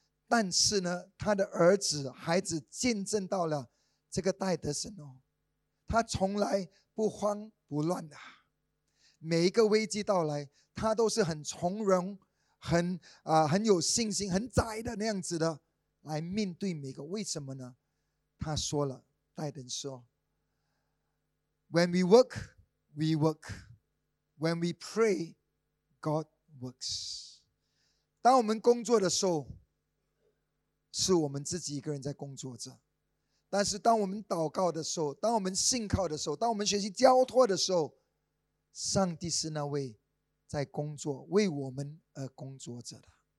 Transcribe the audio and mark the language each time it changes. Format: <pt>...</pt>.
<zh>但是呢，他的孩子见证到了这个戴德森哦。他从来不慌不乱的，每一个危机到来，他都是很从容、很有信心、很宅的那样子的来面对每个。为什么呢？他说了，戴登说 ：</zh> <en>“When we work, we work. When we pray, God works.”</en> <zh>当我们工作的时候，是我们自己一个人在工作着。但是当我们祷告的时候，当我们信靠的时候，当我们学习交托的时候，上帝是那位在工作，为我们而工作着的。</zh>